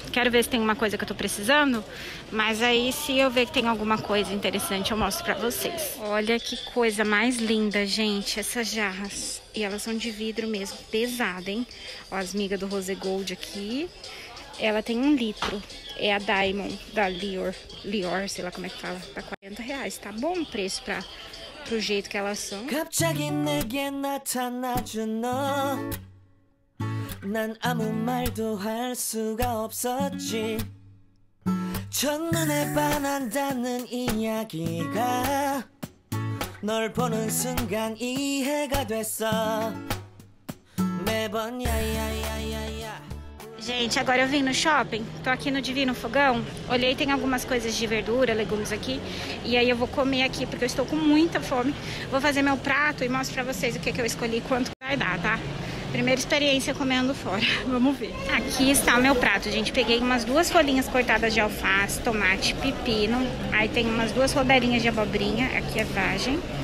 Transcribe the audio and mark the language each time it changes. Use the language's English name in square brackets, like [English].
[Portuguese] Quero ver se tem uma coisa que eu tô precisando, mas aí se eu ver que tem alguma coisa interessante eu mostro pra vocês. Olha que coisa mais linda, gente, essas jarras. E elas são de vidro mesmo, pesada, hein? Ó, as migas do Rose Gold aqui. Ela tem 1 litro, é a Diamond, da Lior, sei lá como é que fala. Tá R$40, tá bom o preço pra... pro jeito que elas são. [Korean] 갑자기 내게 나타나준 너, 난 아무 말도 할 수가 없었지. 첫눈에 반한다는 이야기가 널 보는 순간 이해가 됐어. 매번 야야야야야. [Portuguese] Gente, agora eu vim no shopping, tô aqui no Divino Fogão, olhei, tem algumas coisas de verdura, legumes aqui, e aí eu vou comer aqui, porque eu estou com muita fome, vou fazer meu prato e mostro pra vocês o que, que eu escolhi e quanto vai dar, tá? Primeira experiência comendo fora, vamos ver. Aqui está o meu prato, gente, peguei umas duas folhinhas cortadas de alface, tomate, pepino, aí tem umas duas rodelinhas de abobrinha, aqui é vagem.